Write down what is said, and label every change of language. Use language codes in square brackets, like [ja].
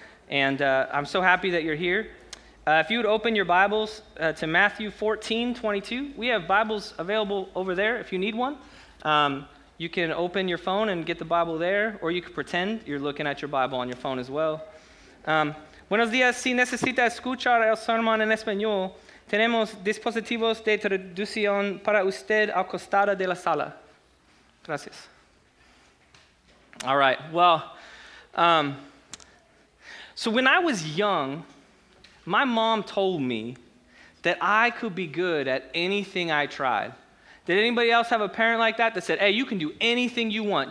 [en] And I'm so happy that you're here. If you would open your Bibles to Matthew 14, 22, we have Bibles available over there if you need one. You can open your phone and get the Bible there, or you can pretend you're looking at your Bible on your phone as well. [es] Buenos días. Si necesita escuchar el sermón en español, tenemos dispositivos de traducción para usted al costado de la sala. Gracias. [en] All right. Well, so when I was young, my mom told me that I could be good at anything I tried. Did anybody else have a parent like that that said, hey, you can do anything you want.